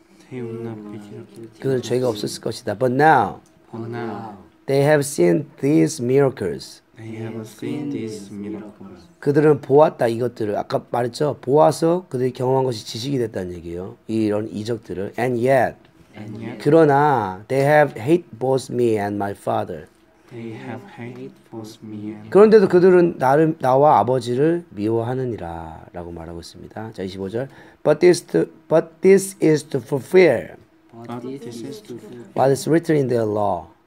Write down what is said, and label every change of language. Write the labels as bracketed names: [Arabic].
[English] They would not be guilty of sin. [Korean] 그들 죄가 없었을 것이다. [English] But now, but now, they have seen these miracles. They have seen these miracles. [Korean] 그들은 보았다 이것들을. 아까 말했죠? 보아서 그들이 경험한 것이 지식이 됐다는 얘기예요. 이런 이적들을. [English] And yet, and yet, [Korean] 그러나 [English] they have hate both me and my father. They have hate both me and [Korean] 그런데도 그들은 나와 아버지를 미워하느니라 라고 말하고 있습니다. 자 25절 [English] But this is to fulfill what is written in their law.